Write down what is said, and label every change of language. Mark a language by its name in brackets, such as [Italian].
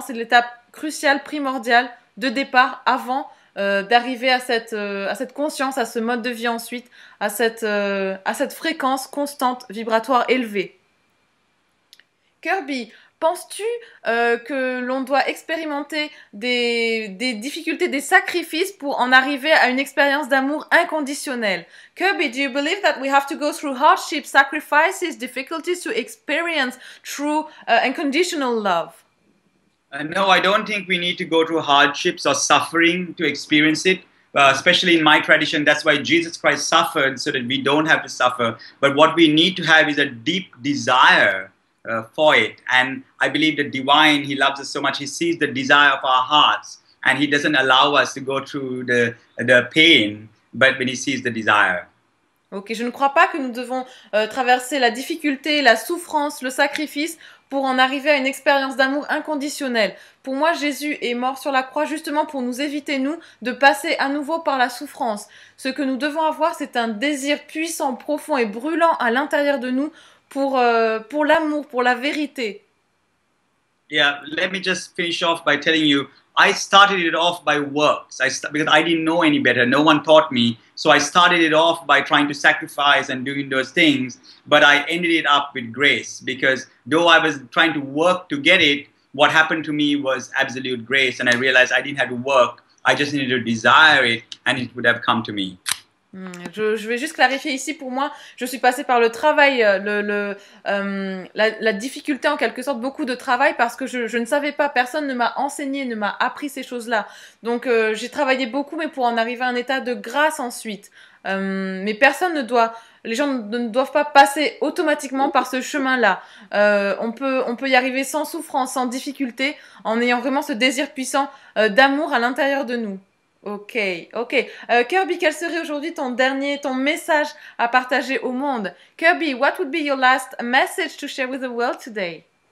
[French] C'est l'étape cruciale, primordiale de départ avant d'arriver à cette conscience, à ce mode de vie ensuite, à cette fréquence constante vibratoire élevée. Kirby, penses-tu que l'on doit expérimenter des difficultés, des sacrifices pour en arriver à une expérience d'amour inconditionnel? [English] Kirby, do you believe that we have to go through hardships, sacrifices, difficulties to experience true unconditional love? No, I don't think we need to go through hardships or suffering to experience it. Especially in my tradition, that's why Jesus Christ suffered so that we don't have to suffer. But what we need to have is a deep desire for it. And I believe the divine, he loves us so much, he sees the desire of our hearts and he doesn't allow us to go through the pain, but when he sees the desire. [French] Ok, je ne crois pas que nous devons traverser la difficulté, la souffrance, le sacrifice pour en arriver à une expérience d'amour inconditionnel. Pour moi, Jésus est mort sur la croix justement pour nous éviter, nous, de passer à nouveau par la souffrance. Ce que nous devons avoir, c'est un désir puissant, profond et brûlant à l'intérieur de nous pour l'amour, pour la vérité. [English] Yeah, let me just finish off by telling you, I started it off by works, because I didn't know any better, no one taught me, so I started it off by trying to sacrifice and doing those things, but I ended it up with grace, because though I was trying to work to get it, what happened to me was absolute grace, and I realized I didn't have to work, I just needed to desire it, and it would have come to me. [French] Je vais juste clarifier ici, pour moi, je suis passée par le travail, la difficulté en quelque sorte, beaucoup de travail, parce que je ne savais pas, personne ne m'a enseigné, ne m'a appris ces choses-là. Donc j'ai travaillé beaucoup, mais pour en arriver à un état de grâce ensuite. Mais personne ne doit, les gens ne doivent pas passer automatiquement par ce chemin-là. On peut y arriver sans souffrance, sans difficulté, en ayant vraiment ce désir puissant d'amour à l'intérieur de nous. Ok, ok. Kirby, quel serait aujourd'hui ton message à partager au monde? [English] Kirby, what would be your last message to share with the world today?